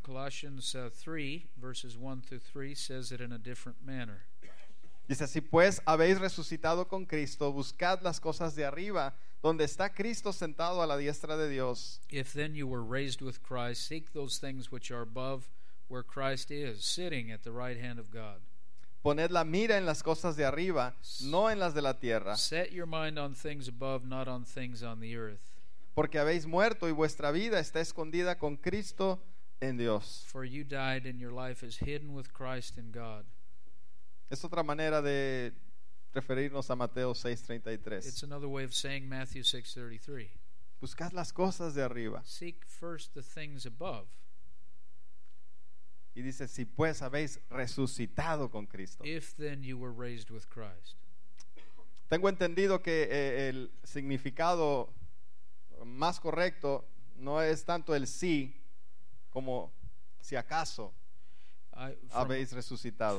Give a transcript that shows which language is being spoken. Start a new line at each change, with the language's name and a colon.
English: Colossians 3, verses 1 through 3 says it in a different manner.
Spanish: Dice así: pues habéis resucitado con Cristo, buscad las cosas de arriba, donde está Cristo sentado a la diestra de Dios.
English: If then you were raised with Christ, seek those things which are above, where Christ is, sitting at the right hand of God.
Spanish: Poned la mira en las cosas de arriba, no en las de la tierra.
English: Set your mind on things above, not on things on the earth.
Spanish: Porque habéis muerto y vuestra vida está escondida con Cristo en Dios.
English: For you died and your life is hidden with Christ in God.
Spanish: Es otra manera de referirnos a Mateo 6:33.
English: It's another way of saying Matthew 6:33.
Spanish: Buscad las cosas de arriba.
English: Seek first the things above.
Spanish: Y dice: si pues habéis resucitado con Cristo.
English: If then you were raised with Christ.
Spanish: Tengo entendido que el significado más correcto no es tanto el sí como si acaso habéis resucitado.